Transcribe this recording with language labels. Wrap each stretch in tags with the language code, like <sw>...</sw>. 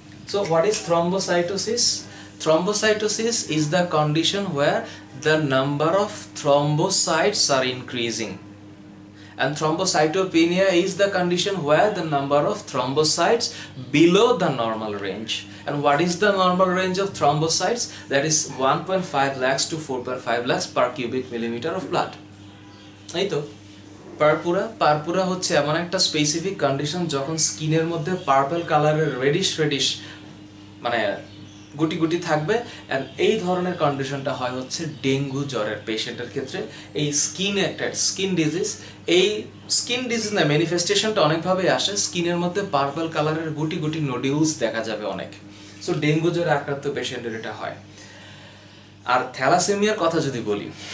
<en>So what is thrombocytosis? Thrombocytosis is the condition where the number of thrombocytes are increasing, and thrombocytopenia is the condition where the number of thrombocytes below the normal range. And what is the normal range of thrombocytes? That is 1.5 lakhs to 4.5 lakhs per cubic millimeter of blood.</en> <bn>Aito purpura, purpura hocche emon ekta specific condition jokhon skin er moddhe purple color er reddish reddish mane guti guti thakbe, and ei dhoroner condition ta hoy hocche dengue jorer patient er khetre, ei skin attack skin disease, ei skin ডিজিজের ম্যানিফেস্টেশনটা অনেকভাবেই আসে, স্কিনের মধ্যে purple কালারের গুটি গুটি nodules দেখা যাবে অনেক। সো ডেঙ্গু জ্বরে আক্রান্ত পেশেন্টের এটা হয়। আর থ্যালাসেমিয়ার কথা যদি বলি,</bn>